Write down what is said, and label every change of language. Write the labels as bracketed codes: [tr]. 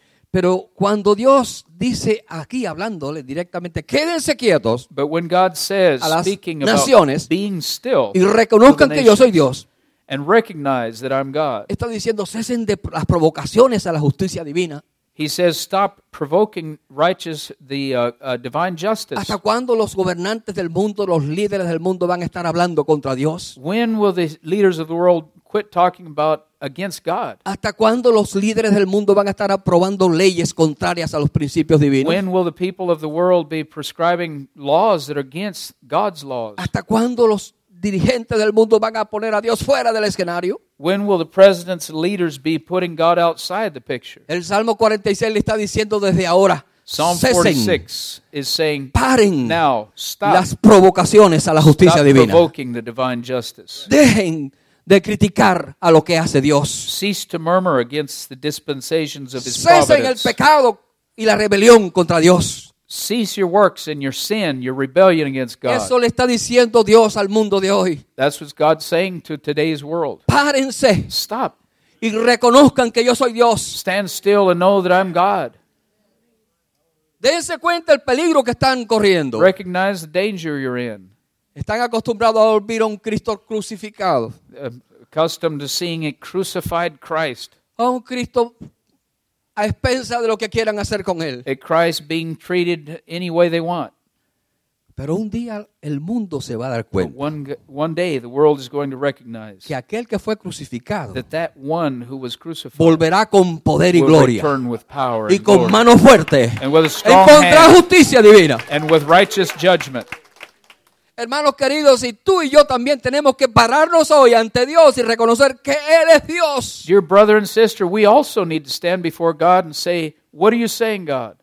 [es] Pero cuando Dios dice aquí, hablándole directamente, quédense quietos [en] says, [es] a las naciones [en] being still, [es] y reconozcan que yo soy Dios. [en] And recognize that I'm God. [es] Está diciendo, cesen de las provocaciones a la justicia divina. [en] He says, stop provoking righteous, the divine justice. [es] ¿Hasta cuándo los gobernantes del mundo, los líderes del mundo van a estar hablando contra Dios? [en] When will the leaders of the world quit talking about against God? [es] ¿Hasta cuándo los líderes del mundo van a estar aprobando leyes contrarias a los principios divinos? [en] When will the people of the world be prescribing laws that are against God's laws? [es] ¿Hasta cuándo los dirigentes del mundo van a poner a Dios fuera del escenario? [en] When will the president's leaders be putting God outside the picture? [es] El Salmo 46 le está diciendo desde ahora, [en] Psalm 46 is saying, [es] paren [en] now, stop [es] las provocaciones a la justicia [en] stop [es] divina. [en] Stop provoking the divine justice. [es] Dejen de criticar a lo que hace Dios. [en] Cease to murmur against the dispensations of his [es] cesen [en] providence. [es] Cesen el pecado y la rebelión contra Dios. [en] Cease your works and your sin, your rebellion against God. [es] Eso le está diciendo Dios al mundo de hoy. [en] That's what God's saying to today's world. [es] Párense. [en] Stop. [es] Y reconozcan que yo soy Dios. [en] Stand still and know that I'm God. [es] Dense cuenta el peligro que están corriendo. [en] Recognize the danger you're in. [es] Están acostumbrados a ver a un Cristo crucificado. [en] Accustomed to seeing a crucified Christ. [es] A un Cristo a expensa de lo que quieran hacer con él. [en] A Christ being treated any way they want. [es] Pero un día el mundo se va a dar cuenta. [en] One day the world is going to recognize [es] que aquel que fue crucificado [en] that one who was crucified [es] volverá con poder y gloria [en] return with power [es] y con [en] glory. [es] Mano fuerte [en] and with a strong [es] encontrar justicia divina. [en] And with righteous judgment. [es] Hermanos queridos, y tú y yo también tenemos que pararnos hoy ante Dios y reconocer que Él es Dios. [en] Dear brother and sister, we also need to stand before God and say, what are you saying, God?